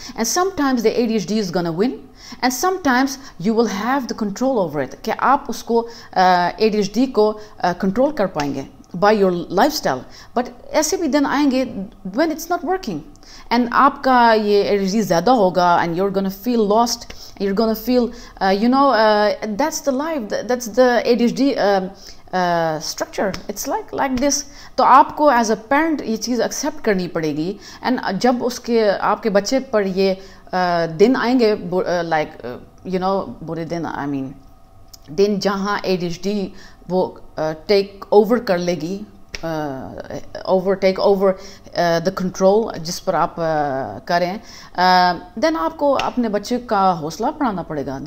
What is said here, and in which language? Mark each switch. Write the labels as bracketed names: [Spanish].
[English] And sometimes the ADHD is gonna win and sometimes you will have the control over it. [Urdu] کہ آپ اس کو ADHD کو control کر پائیں گے [English] by your lifestyle. But [Urdu] ایسے بھی دن آئیں گے [English] when it's not working and [Urdu] آپ کا یہ ADHD زیادہ ہوگا [English] and you're gonna feel lost, you're gonna feel you know that's the life, that's the ADHD structure, it's like this. [Urdu] تو آپ کو [English] as a parent [Urdu] یہ چیز ایکسیپٹ کرنی پڑے گی. اینڈ جب اس کے آپ کے بچے پر یہ دن آئیں گے [English] like you know [Urdu] برے دن, [English] I mean [Urdu] دن جہاں ADHD وہ ٹیک اوور کر لے گی, [English] over take over the control [Urdu] جس پر آپ کریں, دین آپ کو اپنے بچے کا حوصلہ بڑھانا پڑے گا.